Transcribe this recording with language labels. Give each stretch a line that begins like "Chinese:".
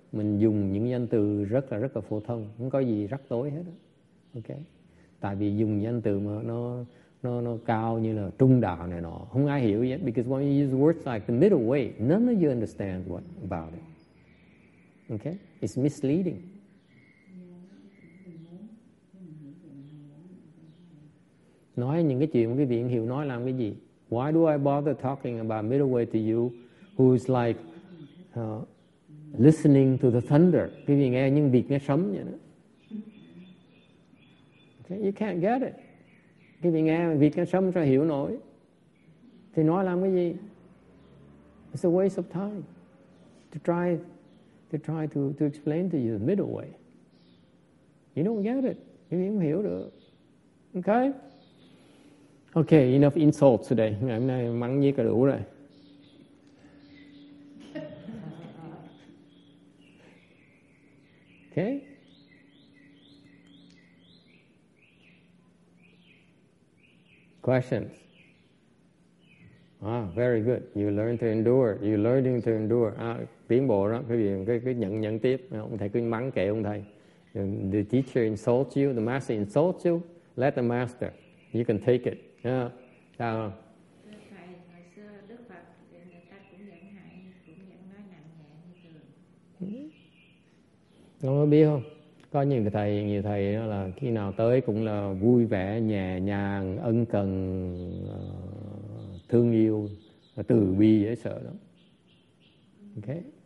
Vietnamese: Mình dùng những danh từ rất là phổ thông, không có gì rắc rối hết đó. Okay. Tại vì dùng danh từ mà nó cao như là trung đạo này nọ, không ai hiểu yet.
English: Because when you use words like the middle way, none of you understand what about it. Okay, it's misleading.
Vietnamese: Nói những cái chuyện quý vị không hiểu nói làm cái gì?
English: Why do I bother talking about middle way to you, who is like listening to the thunder?
Vietnamese: Quý vị nghe những việc nghe sấm vậy đó.
English: Okay, you can't get it.
Vietnamese: Quý vị nghe việc nghe sấm sao hiểu nổi? Thì nói làm cái gì?
English: It's a waste of time to try. They try to explain to you the middle way. You don't get it. You don't
Vietnamese: hiểu được.
English: Okay? Okay, enough insults today.
Vietnamese: Ngày hôm nay mắng nhiếc cả đủ rồi.
English: Okay? Questions? Ah, very good. You learn to endure. You're learning to endure.
Vietnamese: Tiến bộ đó, quý vị cứ nhận tiếp. Ông thầy cứ mắng kệ ông thầy.
English: The teacher insults you, the master insults you. Let the master. You can take it. Yeah.
Vietnamese: Sao không? Thầy, hồi xưa Đức Phật, người ta cũng nhận hại, cũng nhận nói nặng nhẹ như thường. Ông có biết không? Có nhiều thầy đó là khi nào tới cũng là vui vẻ, nhẹ nhàng, ân cần, thương yêu, từ bi, dễ sợ lắm. Okay.